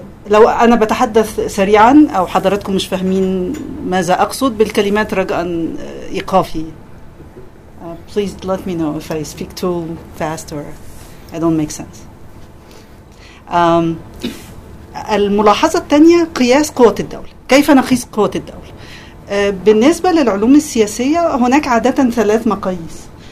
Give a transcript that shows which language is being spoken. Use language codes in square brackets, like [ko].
[ar] لو أنا بتحدث سريعا أو حضرتكم مش فاهمين ماذا أقصد بالكلمات, رجاء إيقافي. [en] Please let me know if I speak too fast or I don't make sense. [ar] الملاحظة الثانية قياس قوة الدولة. كيف نقيس قوة الدولة؟ بالنسبة للعلوم السياسية هناك عادة 3 مقاييس.